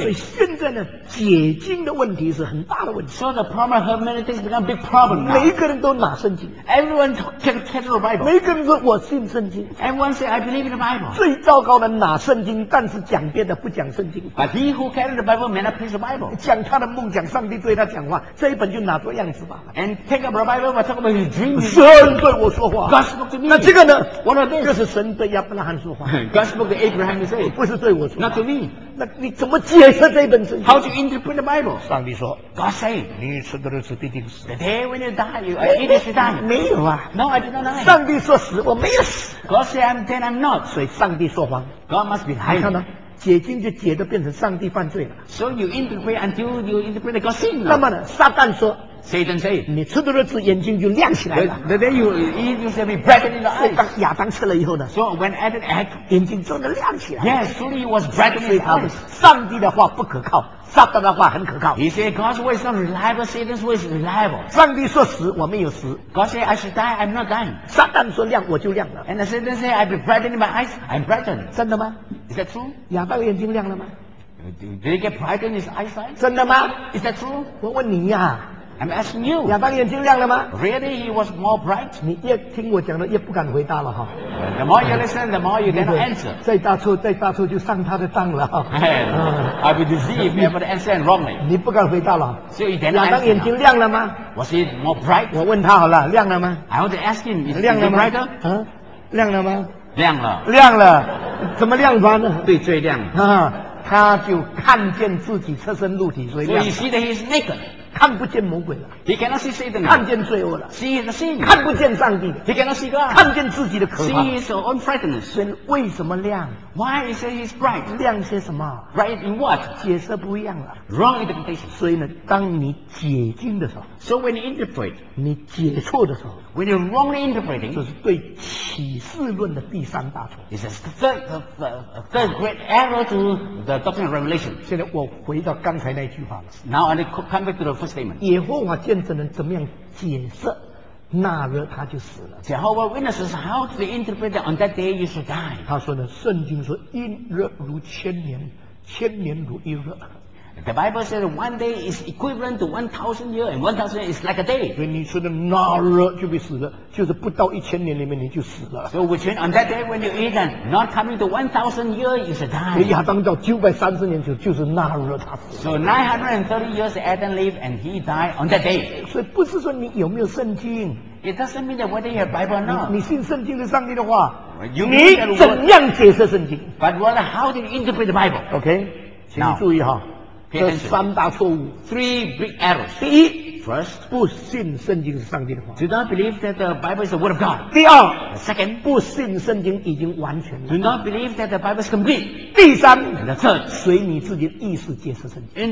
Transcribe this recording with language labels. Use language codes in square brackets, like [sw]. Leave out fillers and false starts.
[zh] 所以现在呢，解经的问题是很大。 [en] So the problem of hermeneutics become a big problem now. [zh] 每个人都拿圣经。 [en] Everyone take the Bible. [zh] 每个人说我信圣经。 [en] Everyone say I believe in the Bible. [zh] 最糟糕的拿圣经，但是讲别的不讲圣经。 [en] But he who carries the Bible may not preach the Bible. [zh] 讲他的梦，讲上帝对他讲话，这一本就拿做样子吧。 [en] And take up the Bible and talk about his dreams. [zh] 神对我说话。 [en] God spoke to me. [zh] 那这个呢 [en] ？What are these? [zh] 这是神对亚伯拉罕说话。 [en] God spoke to Abraham and say. [zh] 不是对我说话。 [en] Not to me. [zh] 那你怎么解释这本圣经 [en] ？How to interpret the Bible? [zh] 上帝说。 [en] God say， [zh] 你吃的日子必定死。 [en] The day when you die, you are going to die。 [zh] 没有啊。 [en] No, I did not die。 [zh] 上帝说死，我没有死。 [en] God say I'm dead, I'm not。 [zh] 所以上帝说谎。 [en] God must be lying。 [zh] 你看呢？解经就解的变成上帝犯罪了。 [en] So you interpret until you interpret God sin。 [zh] 那么呢？撒旦说。 [en] Satan said, [zh] 你吃的日子眼睛就亮起来了。 [en] Then you eat yourself be brightened in the eyes. [zh] 当亚当吃了以后呢 [en] ？So when Adam ate, [zh] 眼睛就能亮起来。 [en] Yes, truly was brightened in the eyes. [zh] 上帝的话不可靠，撒旦的话很可靠。 [en] He said, God's way is not reliable. Satan's way is reliable. [zh] 上帝说死，我没有死。 [en] God said, I should die. I'm not dying. [zh] 撒旦说亮，我就亮了。 [en] And Satan said, I be brightened in my eyes. I'm brightened. [zh] 真的吗 [en] ？Is that true? [zh] 亚当眼睛亮了吗？ [en] Did he get bright in his eyesight? [zh] 真的吗 [en] ？Is that true? [zh] 我问你呀、 [en] 啊。I'm asking you. [zh] 亚当眼睛亮了吗 [en] ？Really, he was more bright. [zh] 你越听我讲的越不敢回答了哈。 [en] The more you listen, the more you cannot answer. [zh] 再答错就上他的当了哈。 [en] I'll be deceived if you ever answer wrongly. [zh] 你不敢回答了。 [en] So you cannot [zh] answer. 亚当眼睛亮了吗 [en] ？Was he more bright? [zh] 我问他好了，亮了吗 [en] ？I want to ask him. Is [zh] 亮了吗？ [en] 嗯、啊， [zh] 亮了吗？亮了。亮了，怎么亮法呢？对，最亮。啊他就看见自己赤身露体，所以 [en] 亮。So you see that he's naked. [zh] 看不见魔鬼了。 [en] He cannot see Satan. [zh] 看见罪恶了。 [en] See the sin. [zh] 看不见上帝。 [en] He cannot see God. [zh] 看见自己的可怕。 [en] See his own frightenedness. [zh] 所以为什么亮 [en] ？Why is he's bright? [zh] 亮些什么 [en] ？Bright in what? [zh] 解释不一样了。 [en] Wrong interpretation. [zh] 所以呢，当你解经的时候 [en] ，So when you interpret, [zh] 你解错的时候 [en] ，When you're wrongly interpreting, [zh] 这是对启示论的第三大错。 [en] It's the third great error to the doctrine of revelation. [zh] 现在我回到刚才那句话了。 [en] Now I come back to the first statement. [zh] 耶和华见证人怎么样解释？那日他就死了。 [en] Jehovah Witnesses, how do they interpret that on that day you should die? [zh] 他说呢，圣经说一日如千年，千年如一日。 [en] The Bible says one day is equivalent to 1,000 years, and 1,000 years is like a day. [zh] 所以你说的那日就被死了，就是不到一千年里面你就死了。 [en] So which means on that day when you eat and not coming to 1,000 years, you should die. [zh] 所以亚当到930年就是那日他死了。 [en] So 930 years Adam lived and he died on that day. [zh] 所以不是说你有没有圣经。 [en] It doesn't mean that whether you have Bible or not. [zh] 你信圣经是上帝的话， [en] you [zh] 你怎样解释圣经 [en] ？But what? How do you interpret the Bible? [zh] Okay, 请注意哈。这三大错误 [en] ，three big errors。 [zh] 第一 [en] ，first， [zh] 不信圣经是上帝的话 [en] ；do not believe that the Bible is the word of God。 [zh] 第二 [en] ，second， [zh] 不信圣经已经完全了 [en] ；do not believe that the Bible is complete。 [zh] 第三 [en] ，the third， [zh] 随你自己的意识解释圣经